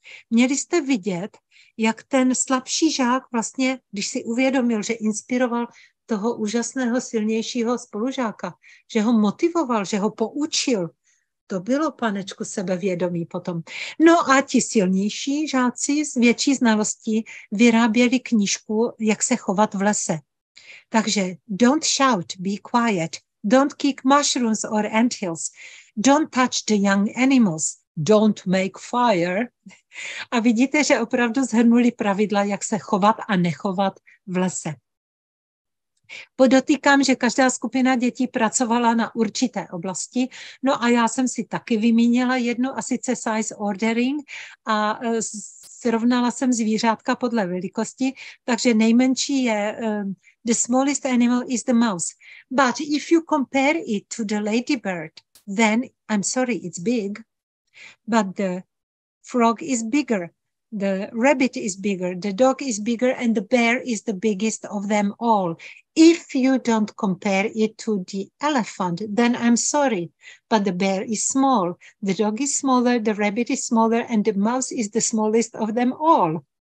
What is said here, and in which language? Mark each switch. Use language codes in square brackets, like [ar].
[cs] Měli jste vidět, jak ten slabší žák vlastně, když si uvědomil, že inspiroval toho úžasného silnějšího spolužáka, že ho motivoval, že ho poučil. To bylo, panečku, sebevědomí potom. No a ti silnější žáci s větší znalostí vyráběli knížku, jak se chovat v lese. Takže [en] don't shout, be quiet. Don't kick mushrooms or anthills. Don't touch the young animals. Don't make fire. [cs] A vidíte, že opravdu shrnuli pravidla, jak se chovat a nechovat v lese. Podotýkám, že každá skupina dětí pracovala na určité oblasti. No a já jsem si taky vymínila jednu, a sice size ordering, a srovnala jsem zvířátka podle velikosti, takže nejmenší je [en] the smallest animal is the mouse. But if you compare it to the ladybird, then I'm sorry, it's big. But the frog is bigger, the rabbit is bigger, the dog is bigger, and the bear is the biggest of them all. If you don't compare it to the elephant, then I'm sorry, but the bear is small, the dog is smaller, the rabbit is smaller, and the mouse is the smallest of them all.